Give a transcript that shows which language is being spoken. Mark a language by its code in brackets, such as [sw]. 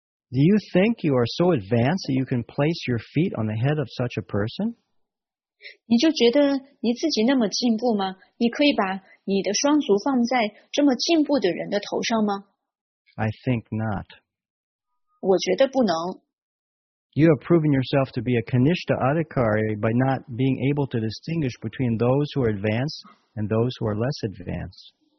[en] Do you think you are so advanced that you can place your feet on the head of such a person? [zh] 你就觉得你自己那么进步吗?你可以把你的双足放在这么进步的人的头上吗? [en] I think not. [zh] 我觉得不能。 [en] You have proven yourself to be a Kanishta Adhikari by not being able to distinguish between those who are advanced and those who are less advanced.